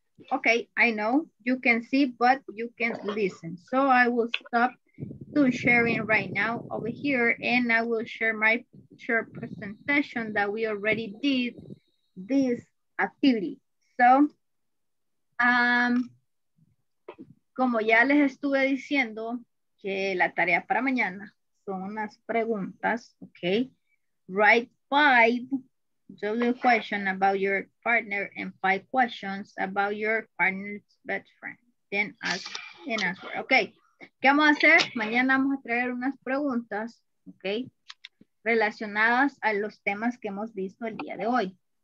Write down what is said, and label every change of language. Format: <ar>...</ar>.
<en>Okay, I know you can see, but you can listen. So I will stop to sharing right now over here, and I will share my short presentation that we already did this activity.</en> <es>So, como ya les estuve diciendo que la tarea para mañana son unas preguntas, okay?</es> <en>Write five W questions about your partner and five questions about your partner's best friend. Then ask and answer. Okay.</en> <es>¿Qué vamos a hacer? Mañana vamos a traer unas preguntas, okay, relacionadas a los temas que hemos visto el día de hoy.</es>